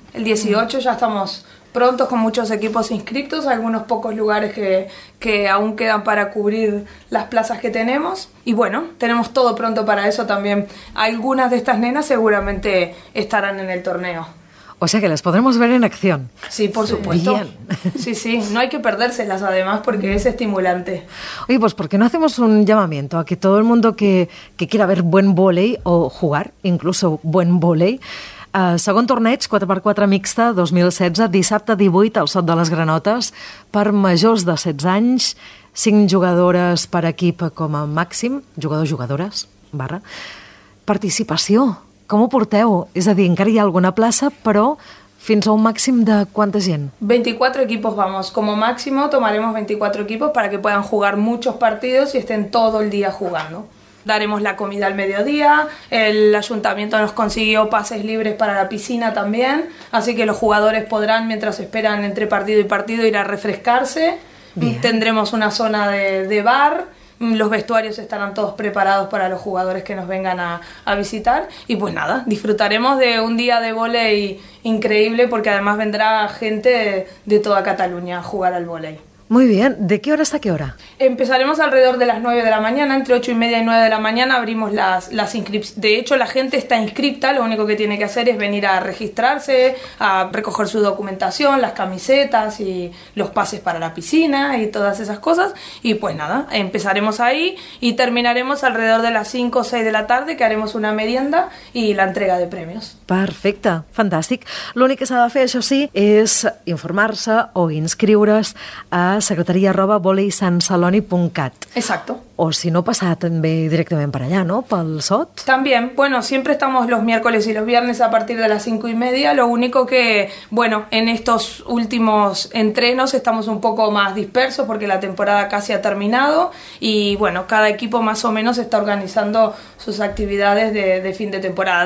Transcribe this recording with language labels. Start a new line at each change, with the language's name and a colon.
Spanish: El 18 ja estamos prontos con muchos equipos inscritos, algunos pocos lugares que aún quedan para cubrir las plazas que tenemos. Y bueno, tenemos todo pronto para eso también. Algunas de estas nenas seguramente estarán en el torneo. O sea que las podremos ver en acción. Sí, por supuesto. Bien. Sí, sí, no hay que perdérselas además porque es estimulante. Oye, pues ¿por qué no hacemos un llamamiento a que todo el mundo que quiera ver buen vóley
Catalan: o jugar incluso buen vóley, segon torneig 4x4 mixta 2016, dissabte 18 al Sot de les Granotes, per majors de 16 anys, 5 jugadores per equip com a màxim, jugadors-jugadores, barra, participació. Com ho porteu? És a dir, encara hi ha alguna plaça, però Fins a un màxim de quanta gent?
Spanish: 24 equipos vamos. Como máximo tomaremos 24 equipos para que puedan jugar muchos partidos y estén todo el día jugando. Daremos la comida al mediodía, el ayuntamiento nos consiguió pases libres para la piscina también, así que los jugadores podrán, mientras esperan entre partido y partido, ir a refrescarse. Bien. Tendremos una zona de bar, los vestuarios estarán todos preparados para los jugadores que nos vengan a visitar. Y pues nada, disfrutaremos de un día de vóley increíble, porque además vendrá gente de toda Cataluña a jugar al vóley. Muy bien, ¿de qué hora hasta qué hora? Empezaremos alrededor de las 9 de la mañana, entre 8 y media y 9 de la mañana abrimos las inscripciones. De hecho, la gente está inscripta, lo único que tiene que hacer es venir a registrarse, a recoger su documentación, las camisetas y los pases para la piscina y todas esas cosas. Y pues nada, empezaremos ahí y terminaremos alrededor de las 5 o 6 de la tarde, que haremos una merienda y la entrega de premios.
Catalan: Perfecte, fantàstic. L'únic que s'ha de fer, això sí, és informar-se o inscriure's a secretaria@voleysansaloni.cat.
Spanish: Exacto.
Catalan: O si no, passar també directament per allà, no? Pel SOT? També.
Spanish: Bueno, siempre estamos los miércoles y los viernes a partir de las 5:30. Lo único que, bueno, en estos últimos entrenos estamos un poco más dispersos porque la temporada casi ha terminado y, bueno, cada equipo más o menos está organizando sus actividades de fin de temporada.